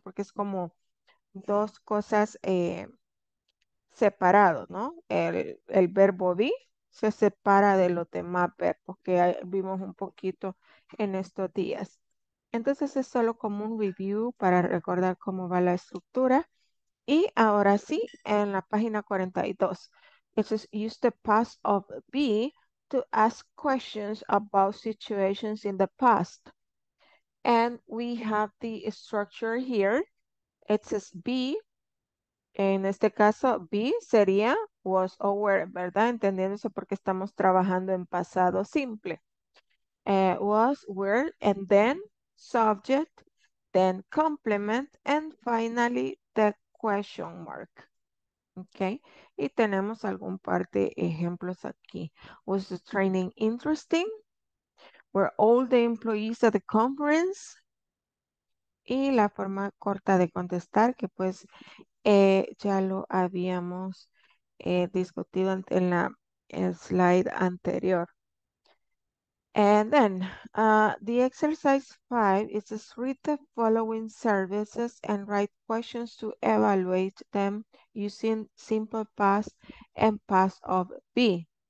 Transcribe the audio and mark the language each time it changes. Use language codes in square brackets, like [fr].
[es] Porque es como dos cosas separados, ¿no? El verbo be se separa de los demás verbos que vimos un poquito en estos días. Entonces, es solo como un review para recordar cómo va la estructura. Y ahora sí, en la página 42. [en] It says, use the past of be to ask questions about situations in the past. And we have the structure here. It says be. [es] En este caso, be sería was or were, ¿verdad? Entendiéndose porque estamos trabajando en pasado simple. [en] Was, were, and then subject, then complement, and finally the question mark. [es] Okay, y tenemos algún par de ejemplos aquí. [en] Was the training interesting? Were all the employees at the conference? [es] Y la forma corta de contestar, que pues ya lo habíamos discutido en la slide anterior. [en] And then, the exercise 5 is to read the following services and write questions to evaluate them using simple past and past of be.